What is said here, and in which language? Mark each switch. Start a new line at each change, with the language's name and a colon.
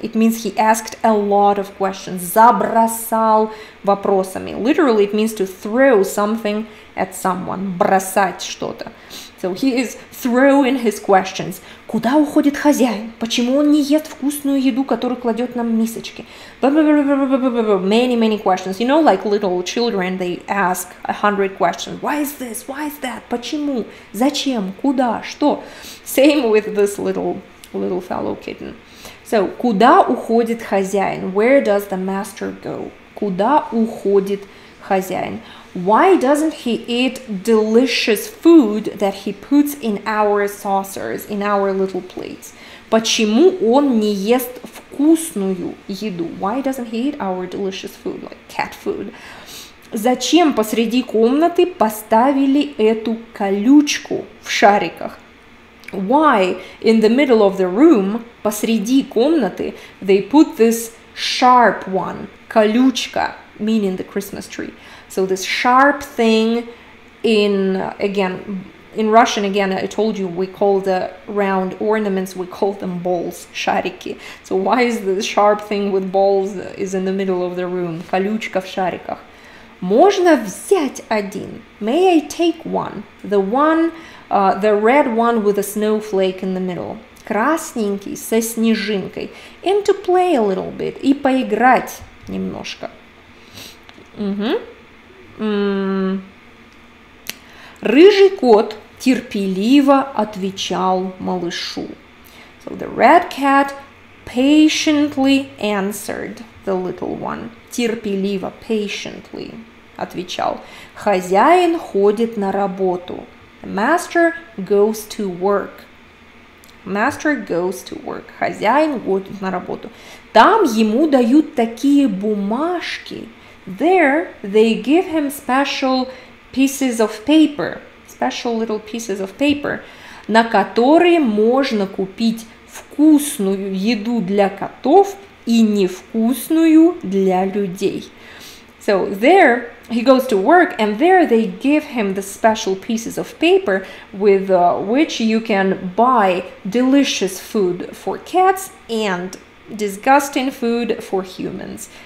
English: It means he asked a lot of questions.
Russian: Забросал вопросами.
English: Literally, it means to throw something at someone.
Russian: Бросать что-то.
English: So he is throwing his questions.
Russian: Куда уходит хозяин? Почему он не ест вкусную еду, которую кладет нам мисочки?
English: Many, many questions. You know, like little children, they ask 100 questions. Why is this? Why is that?
Russian: Почему? Зачем? Куда? Что?
English: Same with this little fellow kitten. So,
Russian: куда уходит хозяин?
English: Where does the master go?
Russian: Куда уходит хозяин?
English: Why doesn't he eat delicious food that he puts in our saucers, in our little plates?
Russian: Почему он не ест вкусную еду?
English: Why doesn't he eat our delicious food, like cat food?
Russian: Зачем посреди комнаты поставили эту колючку в шариках?
English: Why in the middle of the room,
Russian: посреди комнаты,
English: they put this sharp one,
Russian: колючка,
English: meaning the Christmas tree. So this sharp thing in Russian, I told you, we call the round ornaments, we call them balls,
Russian: шарики.
English: So why is the sharp thing with balls is in the middle of the room,
Russian: колючка в шариках? Можно взять один?
English: May I take one? The one, the red one with a snowflake in the middle.
Russian: Красненький со снежинкой.
English: And to play a little bit.
Russian: И поиграть немножко. Угу. Рыжий кот терпеливо отвечал малышу.
English: So the red cat patiently answered the little one.
Russian: Терпеливо,
English: patiently.
Russian: Отвечал. Хозяин ходит на работу.
English: The master goes to work. Master goes to work.
Russian: Хозяин ходит на работу. Там ему дают такие бумажки.
English: There they give him special pieces of paper. Special little pieces of paper.
Russian: На которые можно купить вкусную еду для котов и невкусную для людей.
English: So there he goes to work, and there they give him the special pieces of paper with which you can buy delicious food for cats and disgusting food for humans.